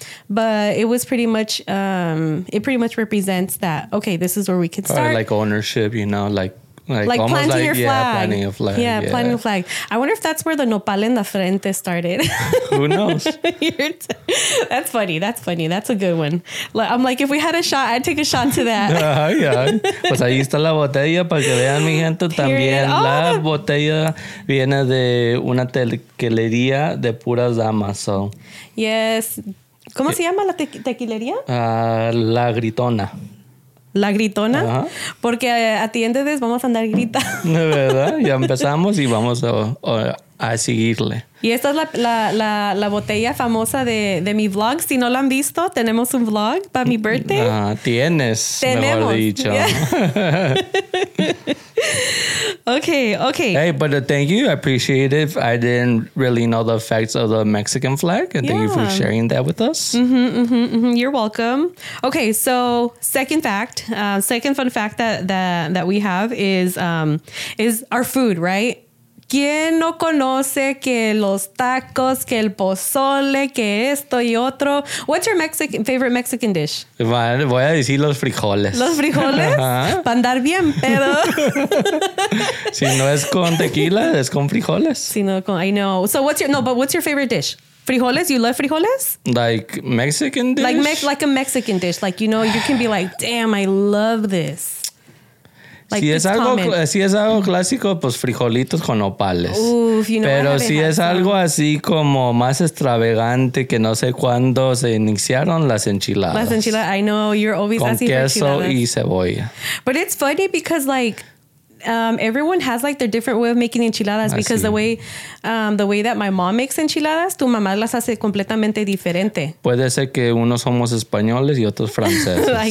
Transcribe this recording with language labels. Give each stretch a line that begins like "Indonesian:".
English: but it was pretty much, it pretty much represents that, okay, this is where we could start. Or like ownership, you know, like almost planting, like, your flag. Yeah, planting a flag. Yeah, yeah, planting a flag. I wonder if that's where the
Spanish: nopal en la frente
English: started. Who knows? That's funny. That's funny. That's a good one. I'm like, if we had a shot, I'd take a shot to that.
Spanish: Pues ahí está la botella para que vean, mi gente. También la botella viene de una tequilería de puras damas.
English: So.
Spanish: Yes. ¿Cómo se llama la tequilería? La Gritona. La Gritona, porque a ti entonces vamos a andar grita. De verdad, ya empezamos y vamos a seguirle. Y esta es la botella famosa de mi vlog. Si no la han visto, tenemos un vlog para mi birthday. Ah, tienes, mejor dicho.
English: Yeah. Okay. Hey, but thank you. I appreciate it. I didn't really know the facts of the Mexican flag. And thank you for sharing that with us. You're welcome. Okay, so second fun fact that we have is our food, right?
Spanish: ¿Quién no conoce que los tacos, que el pozole, que esto y otro?
English: What's your favorite Mexican dish?
Spanish: Voy a decir los frijoles. ¿Los frijoles? Para andar bien, pero... Si no es con tequila, es con frijoles. Si no con...
English: I know. So what's your favorite dish? ¿Frijoles? You love frijoles? Like Mexican dish? Like a Mexican dish. Like, you know, you can be like, damn, I love this.
Spanish: Like si es algo clásico, pues frijolitos con nopales. Pero si es algo así como más extravagante, que no sé cuándo se iniciaron, las enchiladas.
English: Las enchiladas, I know, you're always
Spanish: con
English: asking
Spanish: queso
English: for enchiladas.
Spanish: Y cebolla.
English: But it's funny because like, everyone has like their different way of making enchiladas, because the way that my mom makes enchiladas,
Spanish: tu mamá las hace completamente diferente. Puede ser que unos somos españoles y otros franceses.